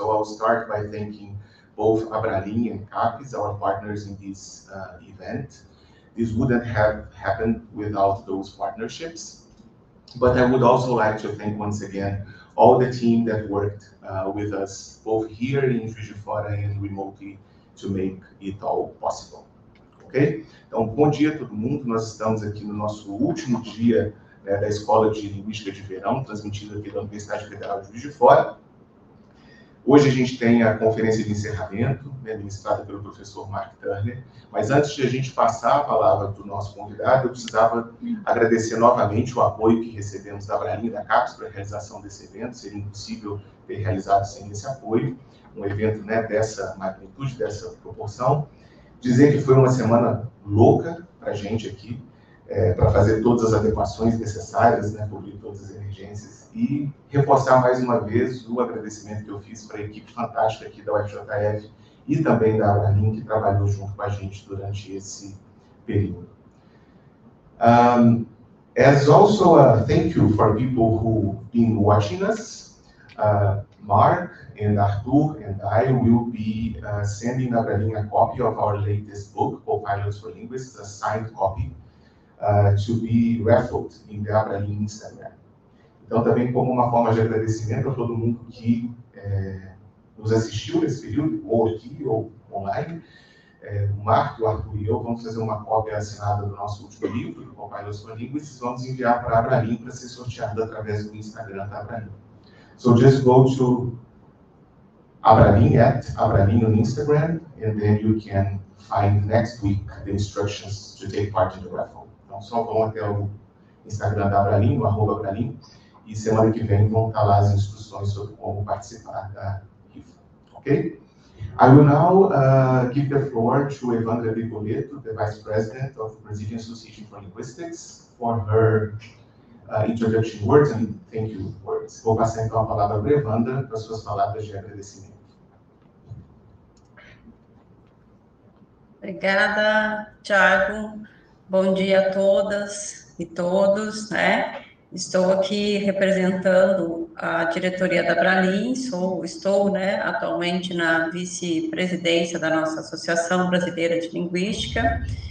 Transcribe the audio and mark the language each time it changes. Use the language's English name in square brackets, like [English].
[English] So I'll start by thanking both Abralin and Capes, our partners in this event. This wouldn't have happened without those partnerships. But I would also like to thank once again all the team that worked with us, both here in Juiz de Fora and remotely, to make it all possible. [Portuguese] Ok? Então, bom dia a todo mundo. Nós estamos aqui no nosso último dia da Escola de Linguística de Verão, transmitido aqui da Universidade Federal de Juiz de Fora. Hoje a gente tem a conferência de encerramento, ministrada pelo professor Mark Turner. Mas antes de a gente passar a palavra do nosso convidado, eu precisava agradecer novamente o apoio que recebemos da Abralin e da Capes para a realização desse evento. Seria impossível ter realizado sem esse apoio um evento dessa magnitude, dessa proporção. Dizer que foi uma semana louca para a gente aqui, para fazer todas as adequações necessárias, cobrir todas as emergências, e reforçar mais uma vez o agradecimento que eu fiz para a equipe fantástica aqui da UFJF e também da Abralin, que trabalhou junto com a gente durante esse período. [English] As also a thank you for people who been watching us. Mark and Arthur and I will be sending Abralin a copy of our latest book, Co-Pilots for Linguists, a signed copy, to be raffled in the Abralin Instagram. [Portuguese] Então, também como uma forma de agradecimento a todo mundo que nos assistiu nesse período, ou aqui ou online, o Mark, o Arthur e eu vamos fazer uma cópia assinada do nosso último livro, Co-Pilots for Linguists, vamos enviar para Abralin para ser sorteado através do Instagram da Abralin. [English] So just go to Abralin at Abralin on Instagram, and then you can find next week the instructions to take part in the raffle. [Portuguese] Então, só vão até o Instagram da Abralin, o @Abralin, e semana que vem vão estar lá as instruções sobre como participar da rifa. [English] Ok? I will now give the floor to Evandra Bigoleto, the Vice President of the Brazilian Association for Linguistics, for her introduction words and thank you words. [Portuguese] Vou passar então a palavra para Evandra para suas palavras de agradecimento. Obrigada, Thiago. Bom dia a todas e todos, Estou aqui representando a diretoria da Abralin, estou atualmente na vice-presidência da nossa Associação Brasileira de Linguística.